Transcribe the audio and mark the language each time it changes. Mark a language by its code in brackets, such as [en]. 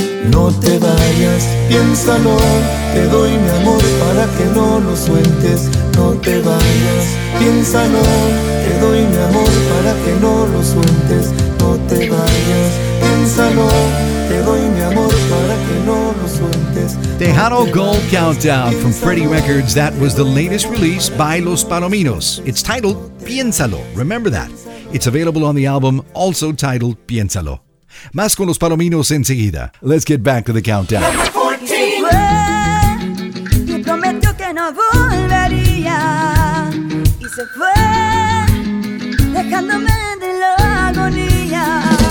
[es] No te vayas, piénsalo, te doy mi amor para que no lo sueltes. No te vayas, piénsalo, te doy mi amor para que no lo sueltes. No te vayas, piénsalo, te doy mi amor para que no lo sueltes. [en] Tejano Gold Countdown from Freddie Records. That was the latest release by Los Palominos. It's titled Piénsalo, remember that. It's available on the album also titled Piénsalo. [es] Más con Los Palominos enseguida. Let's get back to the countdown. [en] Number 14. [es] Fue, que prometió que no volvería. Y se fue, dejándome de la agonía.